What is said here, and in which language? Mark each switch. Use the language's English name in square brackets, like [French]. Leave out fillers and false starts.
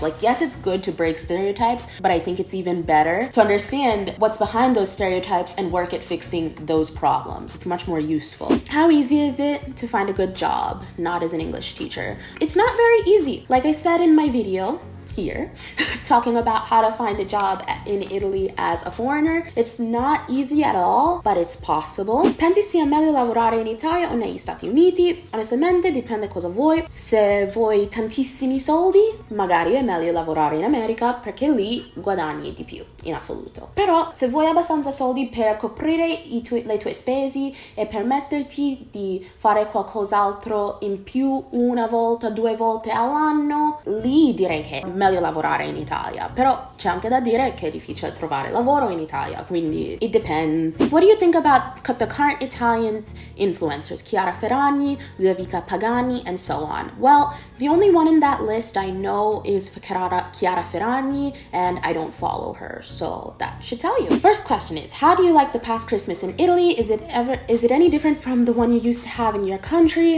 [English] Like, yes, it's good to break stereotypes, but I think it's even better to understand what's behind those stereotypes and work at fixing those problems. It's much more more useful. How easy is it to find a good job not as an English teacher? It's not very easy. Like I said in my video here, talking about how to find a job in Italy as a foreigner, it's not easy at all, but it's possible. [Italian] Pensi sia meglio lavorare in Italia o negli Stati Uniti? Onestamente, dipende cosa vuoi. Se vuoi tantissimi soldi, magari è meglio lavorare in America perché lì guadagni di più, in assoluto. Però, se vuoi abbastanza soldi per coprire le tue spese e permetterti di fare qualcos'altro in più una volta, due volte all'anno, lì direi che è meglio lavorare in Italia. Però c'è anche da dire che è difficile trovare lavoro in Italia, quindi [English] it depends. What do you think about the current Italians influencers? Chiara Ferragni, Ludovica Pagani, and so on. Well, the only one in that list I know is Chiara Ferragni, and I don't follow her, so that should tell you. First question is, how do you like the past Christmas in Italy? Is it any different from the one you used to have in your country?